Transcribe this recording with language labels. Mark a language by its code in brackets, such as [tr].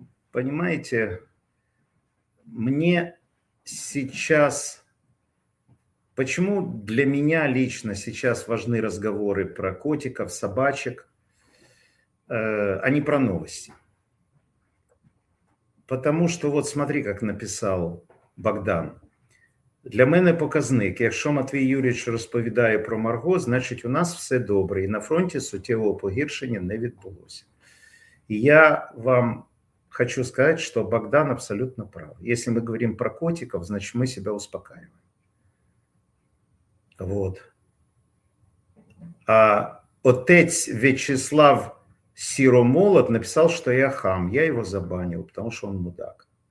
[ru] Понимаете, мне сейчас... Почему для меня лично сейчас важны разговоры про котиков, собачек? А не про новости. Потому что вот смотри, как написал Богдан. [uk] Для мене показник, якщо Матвій Юрійович розповідає про Марго, значить у нас все добре, і на фронті суттєвого погіршення не відбулося. І я вам хочу сказати, що Богдан абсолютно прав. Якщо ми говоримо про котиків, значить ми себе успокаюємо. [ru] Вот. А отець В'ячеслав Сіромолот написал, что я хам. Я его забанил, потому что он мудак.